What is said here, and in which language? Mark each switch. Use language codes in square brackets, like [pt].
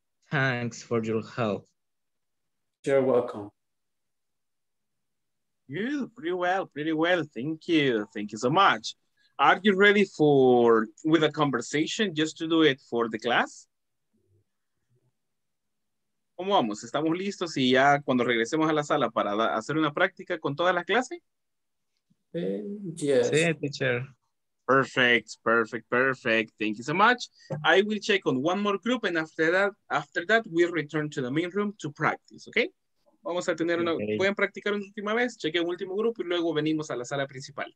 [en] Thanks for your help. You're welcome. You pretty well. Thank you so much. Are you ready for with a conversation just to do it for the class? [es] ¿Cómo vamos? ¿Estamos listos y ya cuando regresemos a la sala para hacer una práctica con toda la clase? [en] Yes. [es] Sí, teacher. [en] Perfect. Thank you so much. I will check on one more group and after that we'll return to the main room to practice, okay? [es] Vamos a tener una, okay. Pueden practicar una última vez, cheque un último grupo y luego venimos a la sala principal.